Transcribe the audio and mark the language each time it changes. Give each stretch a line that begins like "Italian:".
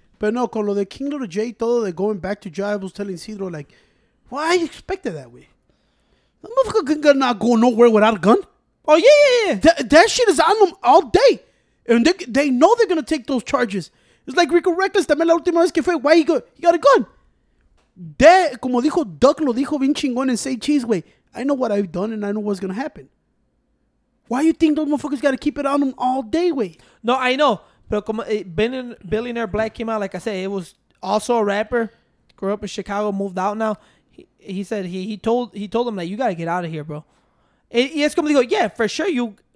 English: But no,
Spanish: con lo de
English: King Little J,
Spanish: todo de
English: going back to jail, I was telling Cedro, like, why you expect it that way? That motherfucker can not go nowhere without a gun. Oh, yeah. That shit is on them all day. And they know they're going to take those charges. It's like Rico Reckless,
Spanish: también la última vez que fue,
English: why he got a gun?
Spanish: De, como dijo Duck, lo dijo bien chingón en Say Cheese, güey.
English: I know what I've done and I know what's going to happen. Why you think those motherfuckers got to keep it on them all day, güey? No, I know. But
Spanish: como
English: Billionaire Black came out, like I said, it was also a rapper. Grew up in Chicago, moved out now. He told him that you got to get out of here, bro. He's going to go, yeah, for sure you...